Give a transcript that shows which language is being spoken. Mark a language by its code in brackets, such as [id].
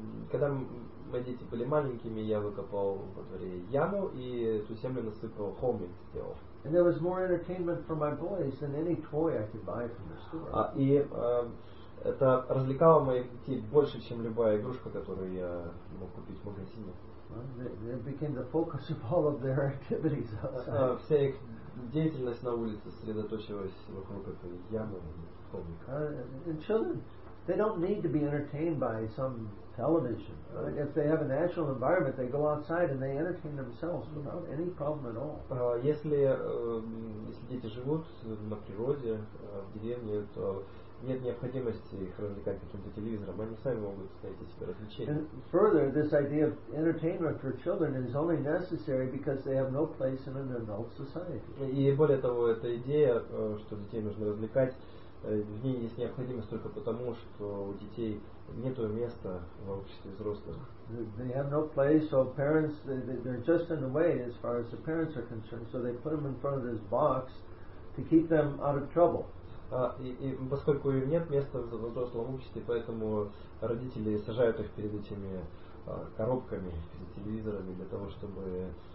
[ru] Когда мои дети были маленькими, я выкопал во дворе яму и эту землю насыпал холмик, сделал. [en] And there was more entertainment for my boys than any toy I could buy from the store. [ru] Это развлекало моих детей больше, чем любая игрушка, которую я мог купить в магазине. [en] It became the focus of all of their activities outside. [ru] Вся их деятельность на улице сосредоточилась вокруг этой ямы и холмика. [en] And children, they don't need to be entertained by some television. Right? If they have a natural environment, they go outside and they entertain themselves without any problem at all. [ru] Если дети живут на природе, в деревне, то нет необходимости их развлекать каким-то телевизором. Они сами могут найти себе развлечения. [en] And further, this idea of entertainment for children is only necessary because they have no place in an adult society. [ru] И более того, эта идея, что детей нужно развлекать, в ней есть необходимость только потому, что у детей нету места в обществе взрослых. [en] They have no place, so parents, they're just in the way as far as the parents are concerned, so they put them in front of this box to keep them out of trouble. [ru] И поскольку им нет места в взрослом обществе, поэтому родители сажают их перед этими коробками, перед телевизорами, для того, чтобы